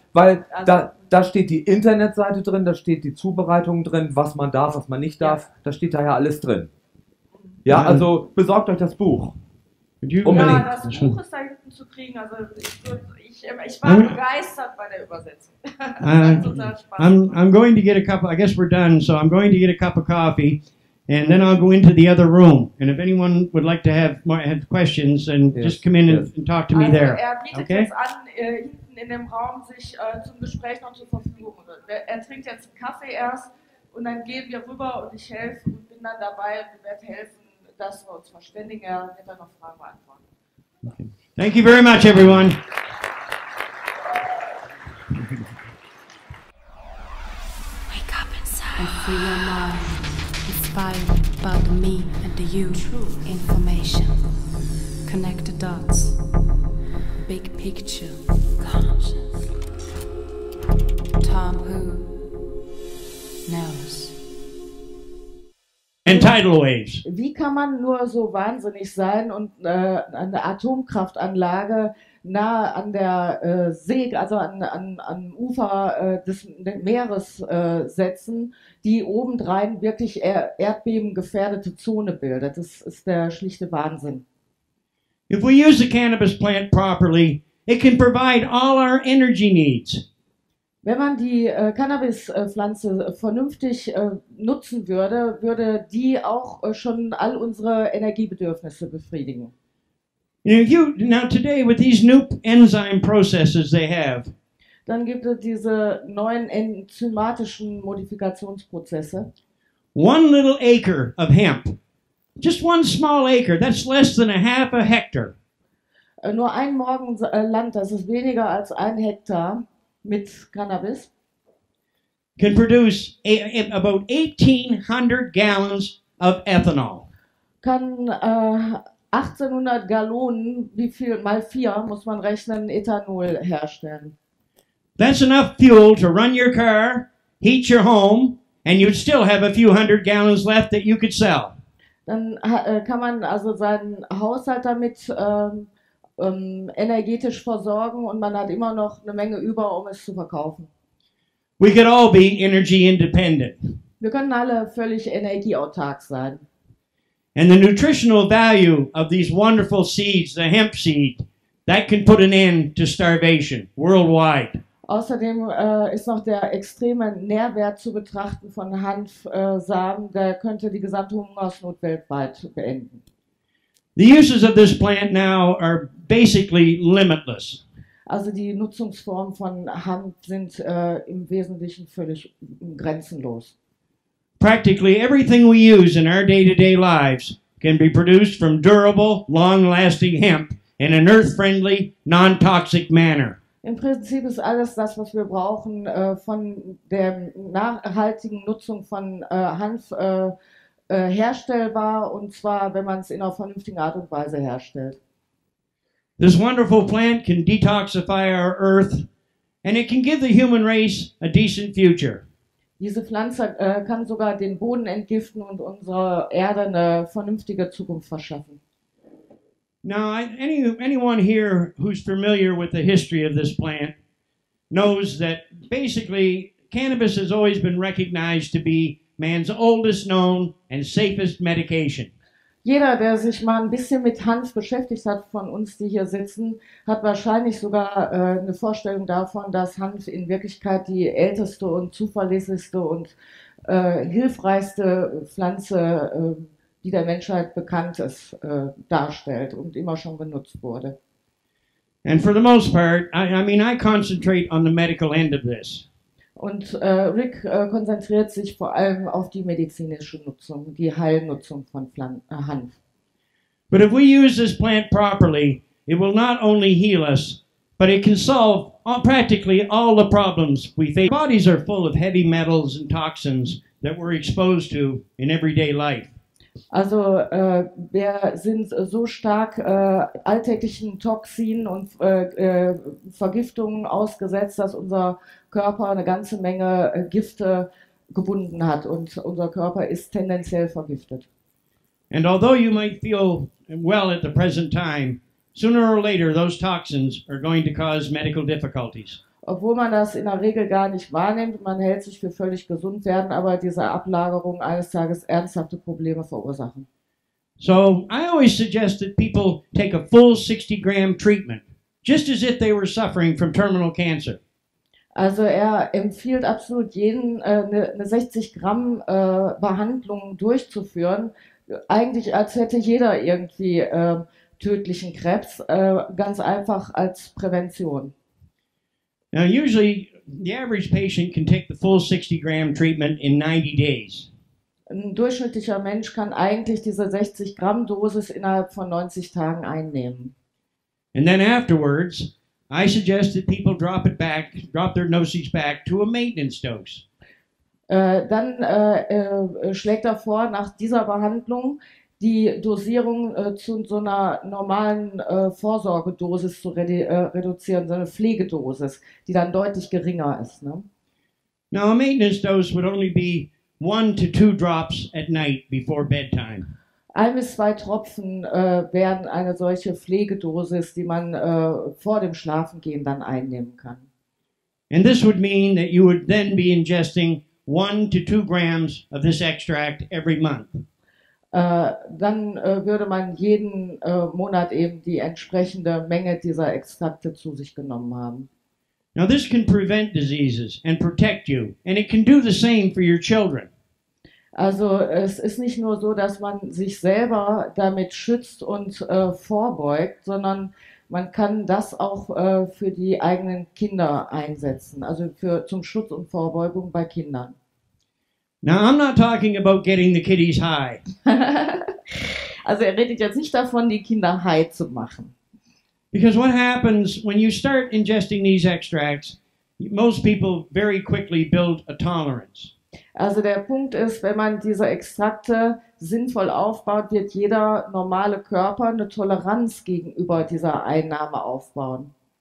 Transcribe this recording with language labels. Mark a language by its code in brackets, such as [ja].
[de] Weil also, da steht die Internetseite drin, da steht die Zubereitung drin, was man darf, was man nicht darf, da steht da ja alles drin. Ja, also besorgt euch das Buch. Unbedingt. Ja, das Buch ist da hinten zu kriegen, also ich war begeistert bei der Übersetzung. [en] I'm going to get a cup, I guess we're done, so I'm going to get a cup of coffee and then I'll go into the other room. And if anyone would like to have questions, then just come in and talk to me also there. [de] Er bietet jetzt an, hinten in dem Raum sich zum Gespräch noch zur Verfügung. Er trinkt jetzt einen Kaffee erst und dann gehen wir rüber und ich helfe und bin dann dabei und werde helfen, dass wir uns verständigen. Er wird dann noch Fragen beantworten. [en] Okay. Thank you very much, everyone. Wake up inside. And free your mind. Inspired by the me and the you. True information. Connect the dots. big picture. Conscious. Tom who knows. And tidal waves. [de] Wie kann man nur so wahnsinnig sein und eine Atomkraftanlage nahe an der See, also an Ufer des Meeres setzen, die obendrein wirklich erdbebengefährdete Zone bildet? Das ist der schlichte Wahnsinn. [en] If we use the cannabis plant properly, it can provide all our energy needs. [de] Wenn man die Cannabispflanze vernünftig nutzen würde, würde die auch schon all unsere Energiebedürfnisse befriedigen. [en] Now today with these new enzyme processes they have. [de] Dann gibt es diese neuen enzymatischen Modifikationsprozesse. [en] One little acre of hemp. Just one small acre, that's less than a half a hectare. [de] Nur ein Morgen Land, das ist weniger als ein Hektar mit Cannabis. [en] Can produce about 1800 gallons of ethanol. [de] Kann 1800 Gallonen, wie viel mal 4 muss man rechnen, Ethanol herstellen. [en] That's enough fuel to run your car, heat your home, and you'd still have a few hundred gallons left that you could sell. [de] Dann kann man also seinen Haushalt damit energetisch versorgen und man hat immer noch eine Menge über, um es zu verkaufen. [en] We could all be energy independent. [de] Wir können alle völlig energieautark sein. [en] And the nutritional value of these wonderful seeds, the hemp seed, that can put an end to starvation worldwide. [de] Außerdem ist noch der extreme Nährwert zu betrachten von Hanfsamen, der könnte die gesamte Hungersnot weltweit beenden. [en] The uses of this plant now are basically limitless. [de] Also die Nutzungsformen von Hanf sind im Wesentlichen völlig grenzenlos. [en] Practically everything we use in our day-to-day lives can be produced from durable, long-lasting hemp in an earth-friendly, non-toxic manner. [de] Im Prinzip ist alles das, was wir brauchen, von der nachhaltigen Nutzung von Hanf herstellbar, und zwar, wenn man es in einer vernünftigen Art und Weise herstellt. [en] This wonderful plant can detoxify our earth, and it can give the human race a decent future. [de] Diese Pflanze kann sogar den Boden entgiften und unserer Erde eine vernünftige Zukunft verschaffen. [en] Now, anyone here who's familiar with the history of this plant knows that basically cannabis has always been recognized to be man's oldest known and safest medication. [de] Jeder, der sich mal ein bisschen mit Hanf beschäftigt hat von uns, die hier sitzen, hat wahrscheinlich sogar eine Vorstellung davon, dass Hanf in Wirklichkeit die älteste und zuverlässigste und hilfreichste Pflanze die der Menschheit bekannt ist, darstellt und immer schon genutzt wurde. [en] And for the most part, I concentrate on the medical end of this. [de] Und Rick konzentriert sich vor allem auf die medizinische Nutzung, die Heilnutzung von Hanf. [en] But if we use this plant properly, it will not only heal us, but it can solve practically all the problems we face. Our bodies are full of heavy metals and toxins that we're exposed to in everyday life. [de] Also wir sind so stark alltäglichen Toxinen und Vergiftungen ausgesetzt, dass unser Körper eine ganze Menge Gifte gebunden hat und unser Körper ist tendenziell vergiftet. [en] And although you might feel well at the present time, sooner or later those toxins are going to cause medical difficulties. [de] Obwohl man das in der Regel gar nicht wahrnimmt, man hält sich für völlig gesund, werden aber diese Ablagerungen eines Tages ernsthafte Probleme verursachen. [en] So, I always suggest that people take a full 60 gram treatment, just as if they were suffering from terminal cancer. [de] Also er empfiehlt absolut jeden, eine 60 Gramm Behandlung durchzuführen, eigentlich als hätte jeder irgendwie tödlichen Krebs, ganz einfach als Prävention. [en] Now usually the average patient can take the full 60 gram treatment in 90 days. [de] Ein durchschnittlicher Mensch kann eigentlich diese 60 Gramm Dosis innerhalb von 90 Tagen einnehmen. [en] And then afterwards, I suggest that people drop their dosage back to a maintenance dose. [de] Dann schlägt er vor, nach dieser Behandlung die Dosierung zu so einer normalen Vorsorgedosis zu reduzieren, so eine Pflegedosis, die dann deutlich geringer ist. Ne? [en] Now a maintenance dose would only be 1 to 2 drops at night before bedtime. [de] 1 bis 2 Tropfen werden eine solche Pflegedosis, die man vor dem Schlafengehen dann einnehmen kann. [en] And this would mean that you would then be ingesting 1 to 2 grams of this extract every month. [de] Dann würde man jeden Monat eben die entsprechende Menge dieser Extrakte zu sich genommen haben. [en] Now this can prevent diseases and protect you, and it can do the same for your children. [de] Also es ist nicht nur so, dass man sich selber damit schützt und vorbeugt, sondern man kann das auch für die eigenen Kinder einsetzen, also für zum Schutz und Vorbeugung bei Kindern. [en] Now I'm not talking about getting the kiddies high. [de] Also er redet jetzt nicht davon, die Kinder high zu machen. [en] Because what happens when you start ingesting these extracts, most people very quickly build a tolerance. [de] Also der Punkt ist, wenn man diese Extrakte sinnvoll aufbaut, wird jeder normale Körper eine Toleranz gegenüber dieser Einnahme aufbauen.